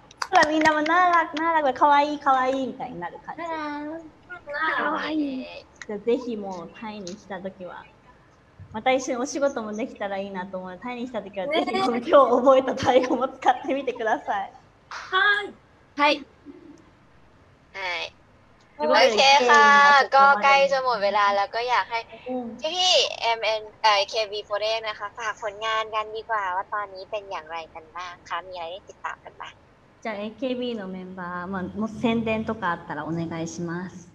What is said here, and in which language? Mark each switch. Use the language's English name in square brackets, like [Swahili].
[Japanese] ほらみんなもならならがかわいいかわいいみたいになる感じ。かわいい。じゃあぜひもうタイに来たときは。また一緒にお仕事もできたらいいなと思う。タイにしたときはぜひこの今日覚えたタイ語も使ってみてください。はい。はい。はい。 [Thai] โอเคค่ะก็ใกล้จะหมดเวลาแล้วก็อยากให้พี่ MN KB48 นะคะฝากผลงานกันดีกว่าว่าตอนนี้เป็นอย่างไรกันบ้างคะมีอะไรติดตามกันบ้าง [Japanese] จะ AKB のメンバーまあもう宣伝とかあったらお願いします